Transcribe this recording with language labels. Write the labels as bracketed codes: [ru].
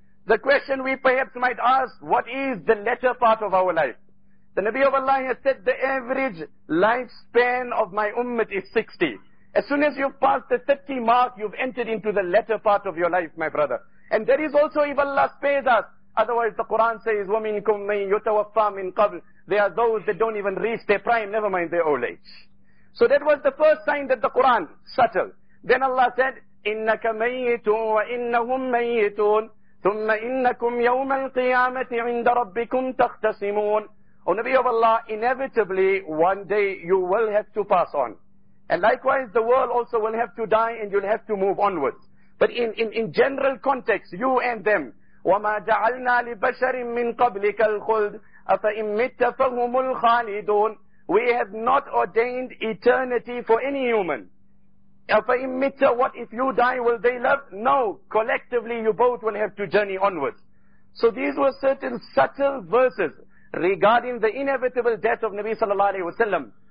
[en] The question we perhaps might ask, what is the latter part of our life? The Nabi of Allah has said, the average lifespan of my ummah is 60. As soon as you've passed the 30 mark, you've entered into the latter part of your life, my brother. And that is also if Allah spares us. Otherwise, the Quran says, [ar] وَمِنْكُمْ مَنْ يُتَوَفَّى مِنْ قَبْلِ. [en] There are those that don't even reach their prime, never mind their old age. So that was the first sign that the Quran, subtle. [ar] Then Allah said, إِنَّكَ مَيِّتٌ وَإِنَّهُمْ مَيِّتُونَ ثُمَّ إِنَّكُمْ يَوْمَ الْقِيَامَةِ عِنْدَ رَبِّكُمْ تَخْتَصِمُونَ. [en] O Nabi of Allah, inevitably one day you will have to pass on. And likewise the world also will have to die and you'll have to move onwards. But in general context, you and them, [ar] وَمَا جَعَلْنَا لِبَشَرٍ مِّن قَبْلِكَ الْخُلْدِ أَفَإِن مِتَّ فَهُمُ الْخَالِدُونَ. [en] We have not ordained eternity for any human. [ar] أَفَإِن مِتَّ, [en] what if you die, will they live? No, collectively you both will have to journey onwards. So these were certain subtle verses regarding the inevitable death of Nabi sallallahu alayhi wa sallam.